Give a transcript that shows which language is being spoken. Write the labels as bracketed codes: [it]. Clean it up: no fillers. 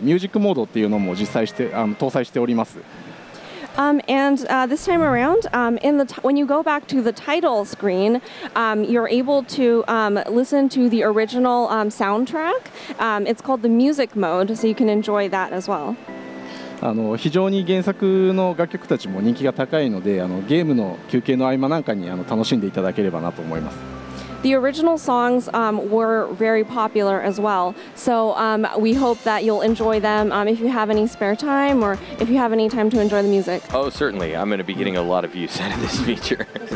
[ja] あの、今回、コレクションオブマナではクイックセーブ、クイックロードの機能とかを実装してるんですが、それ以外にもタイトル画面にて原作のBGMを楽しめるミュージックモードっていうのも実際して搭載しておりますあの、 [en] This time around, when you go back to the title screen, you're able to listen to the original soundtrack. It's called the music mode, so you can enjoy that as well. [ja] あの、非常に原作の楽曲たちも人気が高いので、ゲームの休憩の合間なんかに楽しんでいただければなと思います。 [en] The original songs were very popular as well, so we hope that you'll enjoy them if you have any spare time or if you have any time to enjoy the music. Oh, certainly. I'm going to be getting a lot of use out of this feature.